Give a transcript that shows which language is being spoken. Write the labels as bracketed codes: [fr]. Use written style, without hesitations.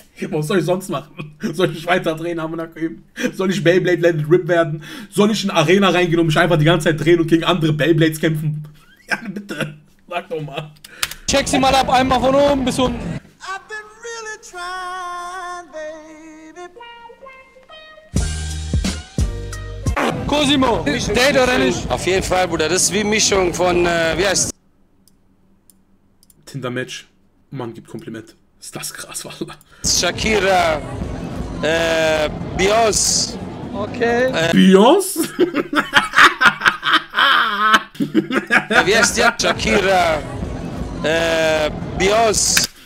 [de] Was soll ich sonst machen? Soll ich mich weiter drehen, Hamanak? Soll ich Beyblade Landed Rip werden? Soll ich in Arena reingehen und mich einfach die ganze Zeit drehen und gegen andere Beyblades kämpfen? Ja, bitte. Sag doch mal. Check sie mal ab, einmal von oben bis unten. [en] I've been really trying, baby. [de] Cosimo, date oder nicht? Auf jeden Fall, Bruder. Das ist wie Mischung von, wie heißt's? Tinder Match. Mann gibt Kompliment. Ist das krass, Wallah. Shakira. Bios. Okay. Bios? Wie heißt der? Shakira. Bios.